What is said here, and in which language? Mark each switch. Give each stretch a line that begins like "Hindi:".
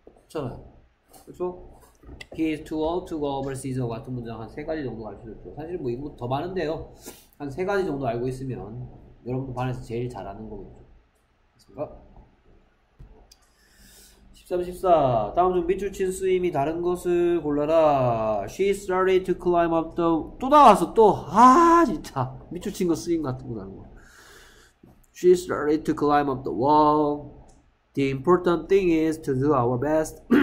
Korean: 그렇잖아요. 그렇죠?
English: He is too old to go overseas
Korean: 같은 문장 한세 가지 정도 가르쳐줬죠. 사실 뭐 이거 더 많은데요. 한세 가지 정도 알고 있으면 여러분도 반에서 제일 잘하는 거겠죠. 그렇습니까? 13, 14. 다음 중 밑줄 친 수임이 다른 것을 골라라.
English: She started to climb up the
Korean: 또 나왔어 또. 아 진짜 밑줄 친거 수임 같은 거 다른 거.
English: She started to climb up the wall. The important thing is to do our best.